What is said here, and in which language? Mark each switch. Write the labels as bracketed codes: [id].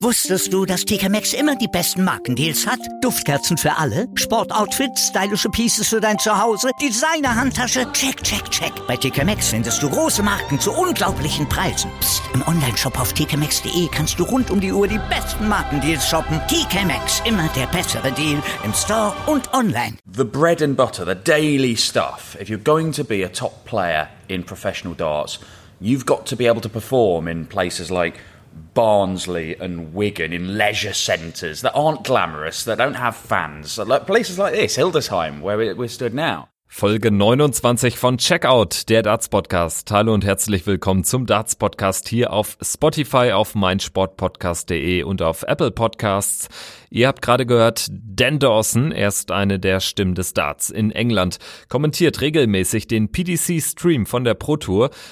[de] Wusstest du, dass TK Maxx immer die besten Markendeals hat? Duftkerzen für alle, Sportoutfits, stylische Pieces für dein Zuhause, Designer-Handtasche, check, check, check. Bei TK Maxx findest du große Marken zu unglaublichen Preisen. Psst. Im Onlineshop auf tkmaxx.de kannst du rund um die Uhr die besten Markendeals shoppen. TK Maxx, immer der bessere Deal im Store und online. [en] The bread and butter, the daily stuff. If you're going to be a top player in professional darts, you've got to be able to perform in places like Barnsley and Wigan, in leisure centres that aren't glamorous, that don't have fans. Like places like this, Hildesheim, where we're stood now. [de] Folge 29 von Checkout, der Darts-Podcast. Hallo und herzlich willkommen zum Darts-Podcast hier auf Spotify, auf meinsportpodcast.de und auf Apple Podcasts. Ihr habt gerade gehört, Dan Dawson, er ist eine der Stimmen des Darts in England, kommentiert regelmäßig den PDC-Stream von der Pro Tour.